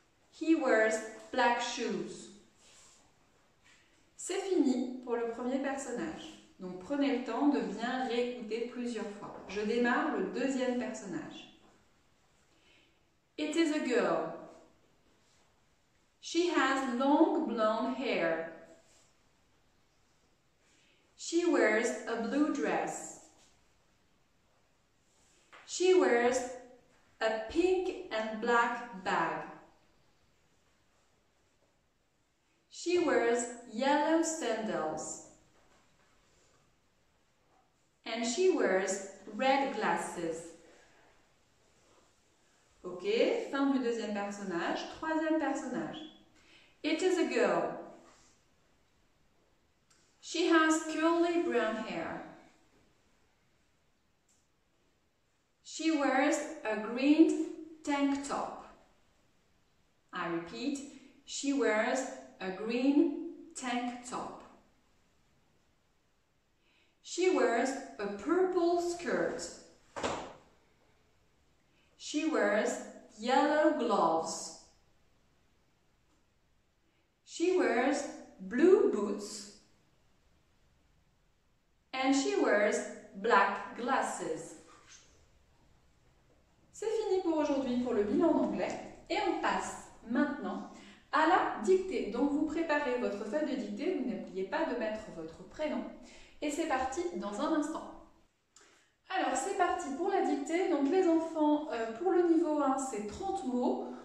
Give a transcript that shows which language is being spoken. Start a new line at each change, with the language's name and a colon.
English: He wears black shoes.
French: C'est fini pour le premier personnage. Donc prenez le temps de bien réécouter plusieurs fois. Je démarre le deuxième personnage.
English: It is a girl. She has long blonde hair. She wears a blue dress. She wears a pink and black bag. She wears yellow sandals. And she wears red glasses.
French: Ok, fin du deuxième personnage. Troisième personnage.
English: It is a girl. She has curly brown hair. She wears a green tank top. I repeat, she wears a green tank top. She wears a purple skirt. She wears yellow gloves. She wears blue boots and she wears black glasses.
French: C'est fini pour aujourd'hui pour le bilan d'anglais et on passe maintenant à la dictée. Donc vous préparez votre feuille de dictée, vous n'oubliez pas de mettre votre prénom et c'est parti dans un instant. Alors c'est parti pour la dictée. Donc les enfants, pour le niveau 1, c'est 30 mots.